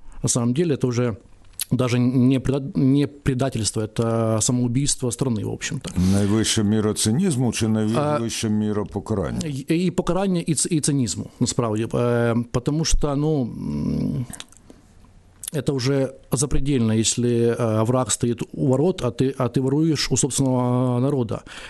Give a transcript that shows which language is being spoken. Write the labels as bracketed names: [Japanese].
[Russian] На самом деле, это уже даже не предательство, это самоубийство страны, в общем-то. [Ukrainian] Найвища міра цинізму чи найвища міра покарання? І покарання, і цинізму, насправді. [Russian] Потому что, ну, это уже запредельно, если враг стоит у ворот, а ты воруешь у собственного народа.